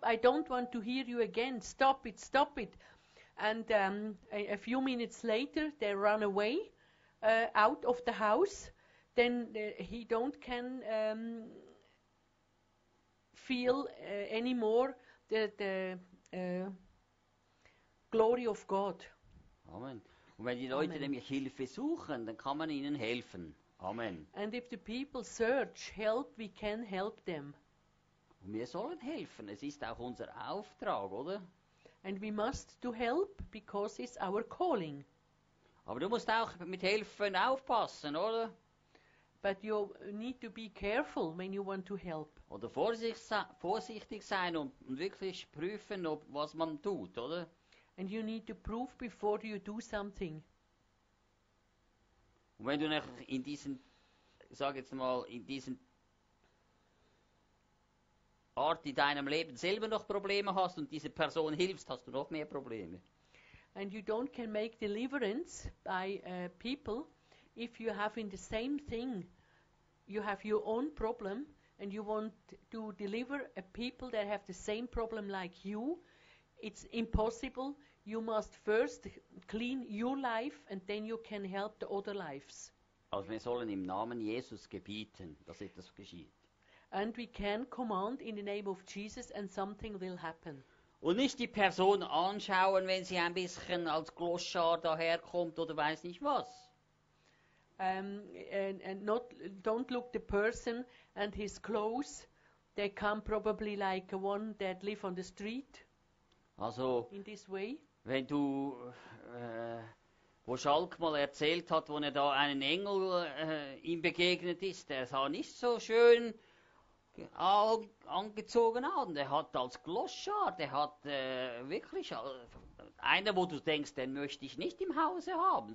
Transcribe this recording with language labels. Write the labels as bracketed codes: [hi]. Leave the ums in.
[en] I don't want to hear you again. Stop it, stop it!" and um, a, a, few minutes later they run away uh, out of the house then uh, he don't can um, feel uh, anymore the, the glory of God Amen [de] Und wenn die Leute Amen. nämlich Hilfe suchen, dann Amen. [en] And if the people search help, we can help them. [de] Und wir sollen helfen. Es ist auch unser Auftrag, oder? [en] and we must do help because it's our calling. [de] Aber du musst auch mit helfen aufpassen, oder? [en] But you need to be careful when you want to help. [de] Oder vorsichtsa- vorsichtig sein und wirklich prüfen, ob was man tut, oder? [en] And you need to prove before you do something. [de] Und wenn du in diesen, sag jetzt mal, in diesen Art in deinem Leben selber noch Probleme hast und dieser Person hilfst, hast du noch mehr Probleme. [en] And you don't can make deliverance by uh, people if you have in the same thing you have your own problem and you want to deliver a people that have the same problem like you. It's impossible. You must first clean your life and then you can help the other lives. [de] Also wir sollen im Namen Jesus gebieten, dass etwas geschieht. [en] And we can command in the name of Jesus and something will happen. [de] Und nicht die Person anschauen, wenn sie ein bisschen als Gloschar daherkommt oder weiß nicht was. [en] Um, and, and not, don't look the person and his clothes. They come probably like one that live on the street. Also, in this way. [de] wenn du, äh, wo Schalk mal erzählt hat, wo er da einem Engel äh, ihm begegnet ist, der sah nicht so schön angezogen haben. Der hat als Gloschar, der hat äh, wirklich äh, einer, wo du denkst, den möchte ich nicht im Hause haben.